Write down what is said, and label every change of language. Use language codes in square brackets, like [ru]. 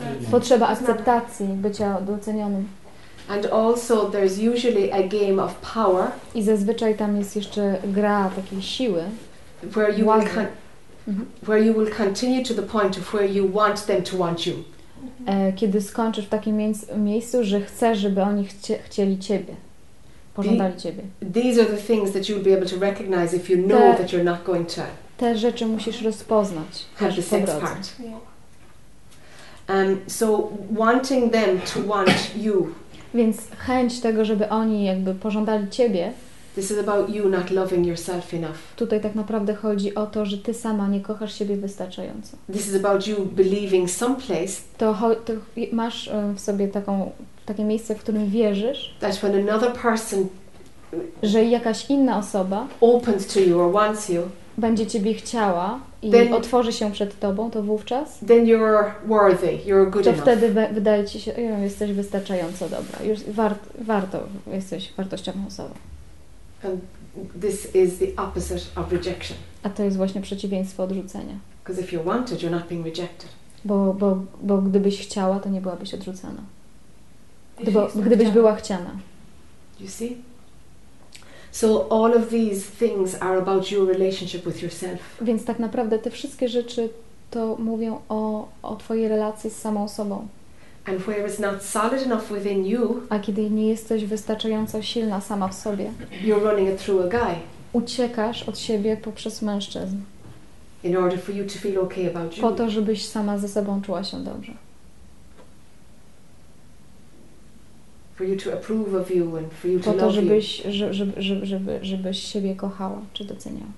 [pl] Potrzeba akceptacji, bycia docenionym. [en] And also there's usually a game of power. [pl] I zazwyczaj tam jest jeszcze gra takiej siły. [en] Where you will where you will continue to the point of where you want them to want you. [pl] Kiedy skończysz w takim miejscu, że chcesz, żeby oni chcieli ciebie. Pożądali ciebie. [en] These are the things that you'll be able to recognize if you know that you're not going to. [pl] Te rzeczy musisz rozpoznać. [en] Have the sex part. So wanting them to want you. [pl] Więc chęć tego, żeby oni jakby pożądali ciebie. [en] This is about you not loving yourself enough. [pl] Tutaj tak naprawdę chodzi o to, że ty sama nie kochasz siebie wystarczająco. [en] This is about you believing someplace. [pl] To masz w sobie takie miejsce, w którym wierzysz. [en] That when another person, [pl] że jakaś inna osoba, [en] opens to you or wants you, [pl] będzie ciebie chciała i otworzy się przed tobą, to wówczas. [en] Then you're worthy. You're good enough. [pl] To wtedy wydaje ci się, jesteś wystarczająco dobra. Już warto jesteś wartościową osobą. [en] And this is the opposite of rejection. [pl] A to jest właśnie przeciwieństwo odrzucenia. [en] Because if you're wanted, you're not being rejected. [pl] Bo gdybyś chciała, to nie byłabyś odrzucana. Gdybyś była chciana. [en] You see? So all of these things are about your relationship with yourself. [pl] Więc tak naprawdę te wszystkie rzeczy to mówią o twojej relacji z samą sobą. [en] And where is not solid enough within you, [pl] a kiedy nie jesteś wystarczająco silna sama w sobie, [en] you're running it through a guy. [pl] Uciekasz od siebie poprzez mężczyzn. [en] In order for you to feel okay about you. [pl] Po to, żebyś sama ze sobą czuła się dobrze. [en] For you to approve of you and for you to [pl] po to, [en] love [pl] żebyś, [en] you. [pl] Żebyś siebie kochała czy doceniała.